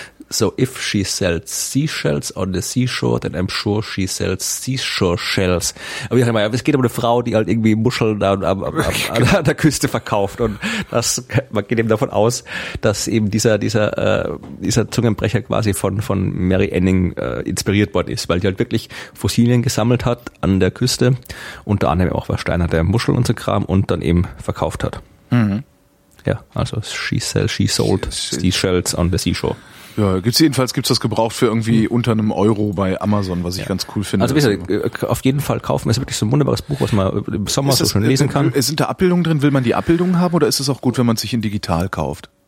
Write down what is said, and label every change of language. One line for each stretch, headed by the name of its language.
English: So if she sells seashells on the seashore, then I'm sure she sells seashore shells.
German: Aber ich sag mal, es geht um eine Frau, die halt irgendwie Muscheln an der Küste verkauft. Und das, man geht eben davon aus, dass eben dieser Zungenbrecher quasi von Mary Anning inspiriert worden ist, weil die halt wirklich Fossilien gesammelt hat an der Küste, unter anderem auch versteinerte Muscheln und so Kram, und dann eben verkauft hat. Mhm. Ja, also
English: she sold seashells on the seashore.
German: Ja, gibt's das gebraucht für irgendwie unter einem Euro bei Amazon, was ich ganz cool finde. Also, auf jeden Fall kaufen. Es ist wirklich so ein wunderbares Buch, was man im Sommer so schön lesen kann. Sind da Abbildungen drin? Will man die Abbildungen haben oder ist es auch gut, wenn man sich in digital kauft?